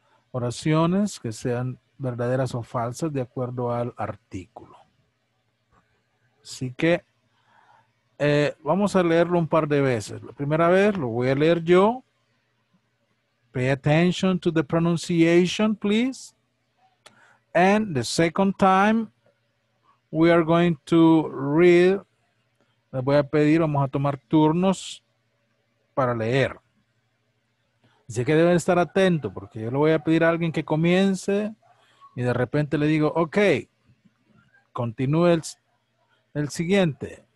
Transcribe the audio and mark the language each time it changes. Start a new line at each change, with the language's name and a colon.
Spanish: oraciones que sean verdaderas o falsas de acuerdo al artículo. Así que vamos a leerlo un par de veces. La primera vez lo voy a leer yo.
English: Pay attention to the pronunciation, please. And the second time, we are going to read.
Spanish: Les voy a pedir, vamos a tomar turnos para leer. Así que deben estar atentos, porque yo le voy a pedir a alguien que comience y de repente le digo, ok, continúe el siguiente.